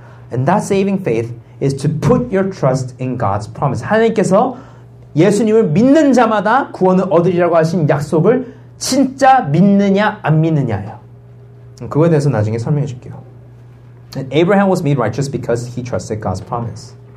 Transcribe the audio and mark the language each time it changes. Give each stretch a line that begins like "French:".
English: And that saving faith is to put your trust in God's promise.
Korean: 하나님께서 예수님을 믿는 자마다 구원을 얻으리라고 하신 약속을 진짜 믿느냐 안 믿느냐예요. 그거에 대해서 나중에 설명해 줄게요.
English: And Abraham was made righteous because he trusted God's promise.